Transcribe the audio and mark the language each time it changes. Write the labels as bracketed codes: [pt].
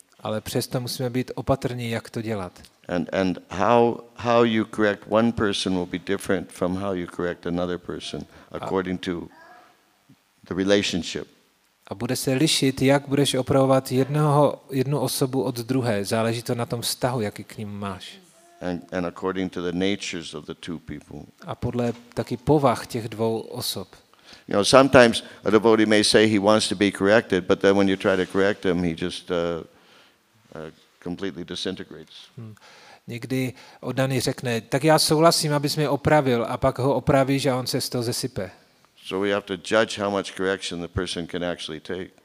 [cs] Ale přesto musíme být opatrní, jak to dělat. [en] And how you correct one person will be different from how you correct another person according to the relationship. [cs] A bude se lišit, jak budeš opravovat jednu osobu od druhé. Záleží to na tom vztahu, jaký k ním máš. [en] And according to the natures of the two people. [cs] A podle taky povah těch dvou osob. [en] You know, sometimes a devotee may say he wants to be corrected, but then when you try to correct him, he just completely disintegrates. [cs] Někdy oddaný řekne, tak já souhlasím, abys mě opravil, a pak ho opravíš a on se z toho zesype. [en] So we have to judge how much correction the person can actually take.